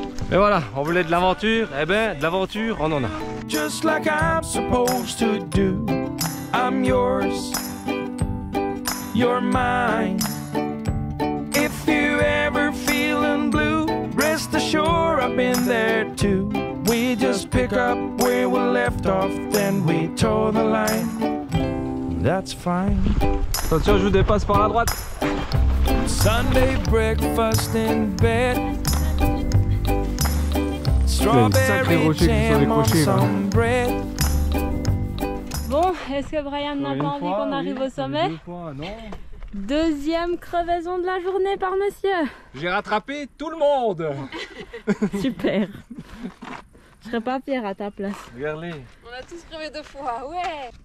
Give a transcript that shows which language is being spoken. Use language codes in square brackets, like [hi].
[fr] Mais voilà, on voulait de l'aventure, eh ben de l'aventure on en a. [en] Just like I'm supposed to do, I'm yours, you're mine. If you ever feeling blue, rest assured I've been there too. We just pick up where we left off, then we toe the line. That's fine. [fr] Attention, je vous dépasse par la droite. [en] Sunday breakfast in bed. Strawberry jam on some bread. [fr] Bon, est-ce que Brian n'a pas envie qu'on arrive au sommet? Deuxième crevaison de la journée par monsieur. J'ai rattrapé tout le monde. Super. Je serais pas fière à ta place. Regarde-les. On a tous crevé deux fois, ouais.